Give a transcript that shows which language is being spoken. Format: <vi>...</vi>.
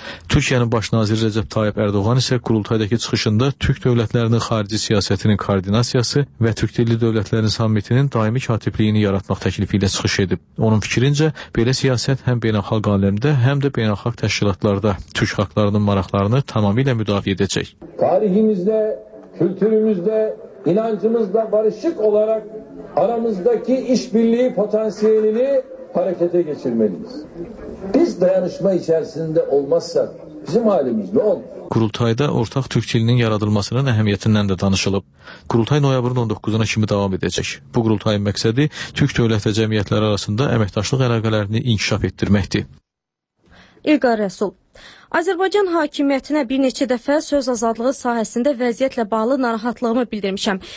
<az>Türkiyənin baş naziri Recep Tayyip Erdoğan isə qurultaydakı çıxışında Türk dövlətlərinin xarici siyasətinin koordinasiyası və Türk dilli dövlətlərin sammitinin daimi katibliyini yaratmaq təklifi ilə çıxış edib. Onun fikrincə, belə siyasət həm beynəlxalq aləmdə, həm də beynəlxalq təşkilatlarda Türk xalqlarının maraqlarını tamamilə müdafiə edəcək.</az> <tr>Tariximizdə, kültürümüzdə, inancımızda barışıq olaraq aramızdakı işbirliyi potensialini harekete geçirmeliyiz. Biz dayanışma içerisinde olmazsak bizim halimiz ne olur?</tr> <az>Qurultayda ortaq türk dilinin yaradılmasının əhəmiyyətindən də danışılıb. Qurultay noyabrın 19-una kimi davam edəcək. Bu qurultayın məqsədi türk dövlət və cəmiyyətləri arasında əməkdaşlıq əlaqələrini inkişaf etdirməkdir. İlqar Rəsul. Azərbaycan hakimiyyətinə bir neçə dəfə söz azadlığı sahəsində vəziyyətlə bağlı narahatlığımı bildirmişəm.</az>